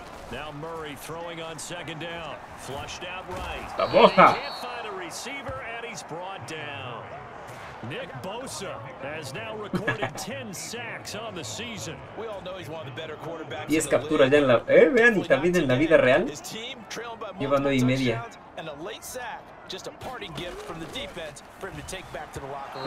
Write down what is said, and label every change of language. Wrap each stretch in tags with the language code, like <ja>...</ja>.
<en>Now Murray throwing on second down, flushed out right. La Bosa. Can't find a receiver and he's brought down. Nick Bosa has now recorded 10 sacks on the season. We all know he's one of the better quarterbacks.</en> <es>10 capturas ya en la, vean, y también en la vida real. Lleva 9 y media.</es> <en>And a late sack, just a party gift from the defense for him to take back to the locker room.</en>